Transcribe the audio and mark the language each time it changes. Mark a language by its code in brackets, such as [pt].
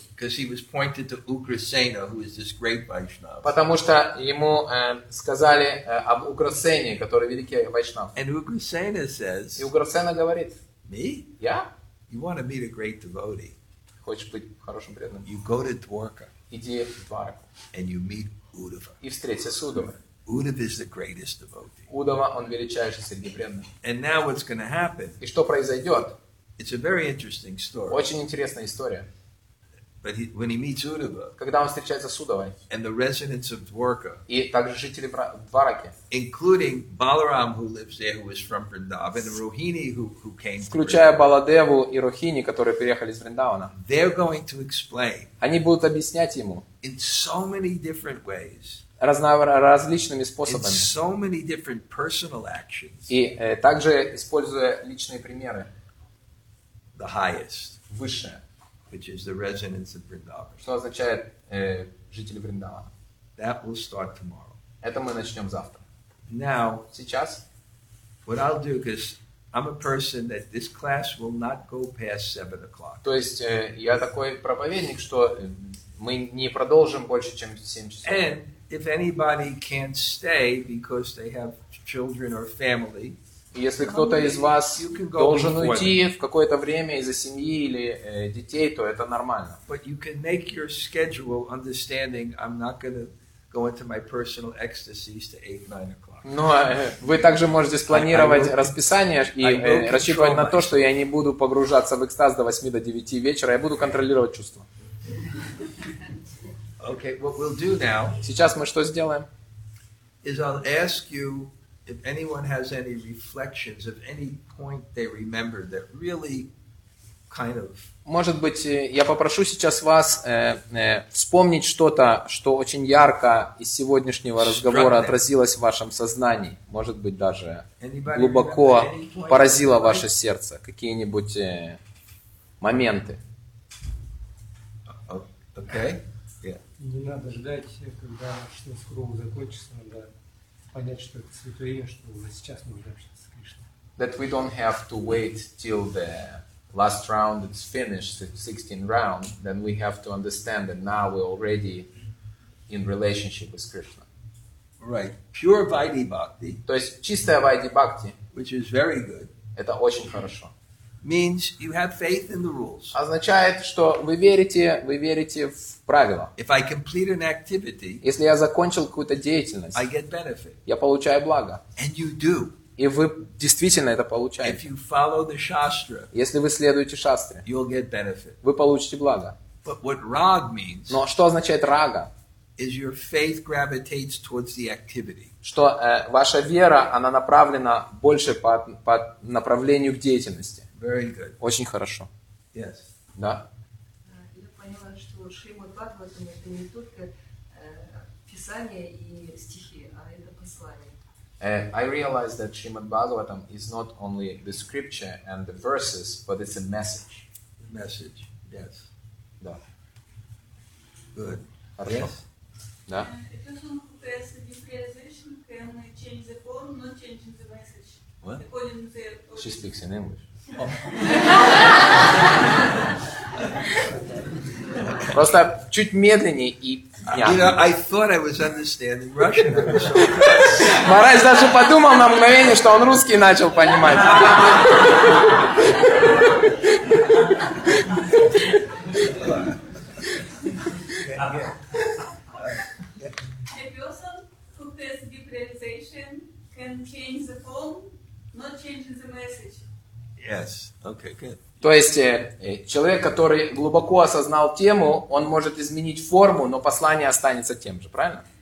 [en] Because he was pointed to Ugrasena, who is this great Vaishnava. [ru] Потому что ему сказали об Ugrasena, который великий Вайшнав. [en] And Ugrasena says. [ru] И Ugrasena говорит. [en] Me? [ru] Я? [en] You want to meet a great devotee? [ru] Хочешь быть хорошим преданным? [en] You go to Dwarka. [ru] иди в Дварапу. [en] And you meet Uddhava. [ru] И встреться с Удавой. [en] Uddhava is the greatest devotee. [ru] Удава, он величайший среди преданных. [en] And now what's going to happen? [ru] И что произойдет? [en] It's a very interesting story. [ru] Очень интересная история. [en] But when he meets Uddhava, [ru] когда он встречается с Удавой, [en] and the residents of Dwarka, [ru] и также жители Двараки, [en] including Balaram, who lives there, who is from Vrindavan, and Rohini, who came, [ru] включая Баладеву и Рохини, которые переехали из Вриндавана, [en] they're going to explain. [ru] Они будут объяснять ему [en] in so many different ways, [ru] различными способами, [en] in so many different personal actions, [ru] и также используя личные примеры, [en] the highest, [ru] высшее. [en] Which is the residents of Vrindavan. [ru] Что означает жители Вриндавана? [en] That will start tomorrow. [ru] Это мы начнем завтра. [en] Now, [ru] сейчас, [en] what I'll do, because I'm a person that this class will not go past 7 o'clock. [ru] То есть я такой проповедник, что мы не продолжим больше, чем 7 часов. [en] And if anybody can't stay because they have children or family. [ru] Если кто-то из вас должен уйти в какое-то время из-за семьи или детей, то это нормально. [en] But you can make your schedule understanding I'm not going to go into my personal ecstasies to 8-9 o'clock. [ru] Но вы также можете спланировать расписание и рассчитывать на то, что я не буду погружаться в экстаз до 8-9 вечера, я буду контролировать чувства. [en] Okay, what we'll do now, [ru] сейчас мы что сделаем? [en] Is I'll ask you if anyone has any reflections of any point they remember that really kind of, [ru] может быть, я попрошу сейчас вас вспомнить что-то, что очень ярко из сегодняшнего разговора отразилось в вашем сознании, может быть, даже глубоко поразило ваше сердце какие-нибудь моменты. [en] Okay. [ru] Не надо ждать, когда шнур круг закончится, надо понять, что это святое имя, что уже сейчас нужно общаться с Кришной. [en] That we don't have to wait till the last round is finished, the 16th round, then we have to understand that now we're already in relationship with Krishna. Right. Pure Vaidhi Bhakti. [ru] То есть чистая Vaidhi Bhakti. [en] Which is very good. [ru] Это очень хорошо. [en] Means you have faith in the rules. [ru] Означает, что вы верите в правила. [en] If I complete an activity, [ru] если я закончил какую-то деятельность, [en] I get benefit. [ru] Я получаю благо. [en] And you do. [ru] И вы действительно это получаете. [en] If you follow the shastra, [ru] если вы следуете шастре, [en] you'll get benefit. [ru] Вы получите благо. [en] But what rag means, [ru] но что означает рага? [en] Is your faith gravitates towards the activity. [ru] Что ваша вера, она направлена больше по направлению к деятельности. [en] Very good. [ru] Очень хорошо. [en] Yes. [ru] Да. Я поняла, что Шримад-Бхагаватам это не только писание и стихи, а это послание. [en] I realized that Shrimad-Bhagavatam is not only the scripture and the verses, but it's a message. The message. Yes. [ru] Да. [en] Good. [ru] Хорошо. Yes. Да. Это сон купается депрессивным, [en] can I change the form, not changing the message. What? She speaks in English. [ru] Просто чуть медленнее и [en] I thought I was understanding Russian. [ru] Марайс даже подумал на мгновение, что он русский начал понимать. [en] A person who has deep realization can change the form, not changing the message. Yes. Okay, good. [ru] То есть человек, который глубоко осознал тему, он может изменить форму, но послание останется тем же, правильно?